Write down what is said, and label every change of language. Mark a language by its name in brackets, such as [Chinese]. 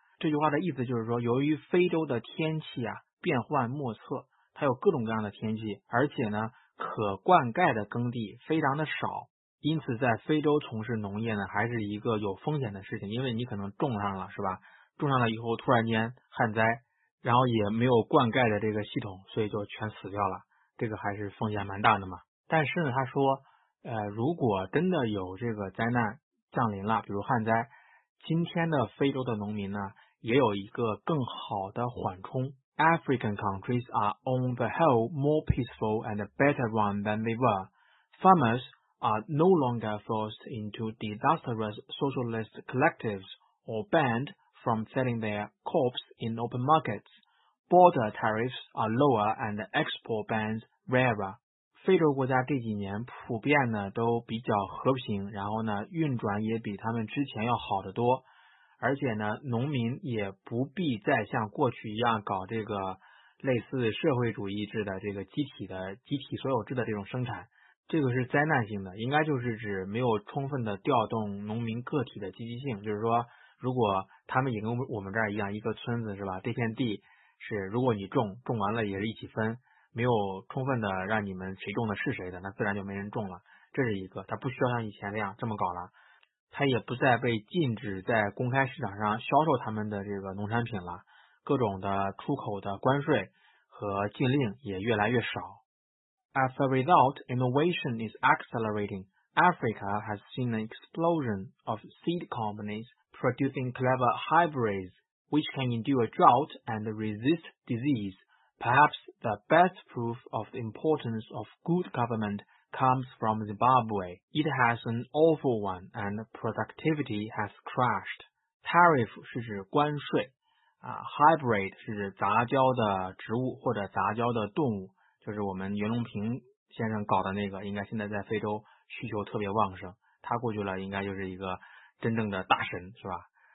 [Chinese] 这句话的意思就是说，由于非洲的天气啊变幻莫测，它有各种各样的天气，而且呢可灌溉的耕地非常的少，因此在非洲从事农业呢还是一个有风险的事情，因为你可能种上了是吧，种上了以后突然间旱灾，然后也没有灌溉的这个系统，所以就全死掉了，这个还是风险蛮大的嘛。但是呢他说如果真的有这个灾难降临了，比如旱灾，今天的非洲的农民呢也有一个更好的缓冲。 [English] African countries are on the whole more peaceful and better run than they were. Farmers are no longer forced into disastrous socialist collectives or banned from selling their crops in open markets. Border tariffs are lower and export bans rarer. [Chinese] 非洲国家这几年普遍呢都比较和平，然后呢运转也比他们之前要好得多，而且呢农民也不必再像过去一样搞这个类似社会主义制的这个集体所有制的这种生产，这个是灾难性的，应该就是指没有充分的调动农民个体的积极性，就是说如果他们也跟我们这儿一样，一个村子是吧，这片地是如果你种完了也是一起分，没有充分的让你们谁中的是谁的，那自然就没人中了。这是一个，他不需要像以前那样这么搞了，他也不再被禁止在公开市场上销售他们的这个农产品了，各种的出口的关税和禁令也越来越少。 [English] As a result, innovation is accelerating. Africa has seen an explosion of seed companies producing clever hybrids, which can endure drought and resist disease. Perhaps the best proof of the importance of good government comes from Zimbabwe. It has an awful one, and productivity has crashed. [Chinese] Tariff 是指关税，hybrid 是指杂交的植物或者杂交的动物，就是我们袁隆平先生搞的那个，应该现在在非洲需求特别旺盛，他过去了应该就是一个真正的大神，是吧？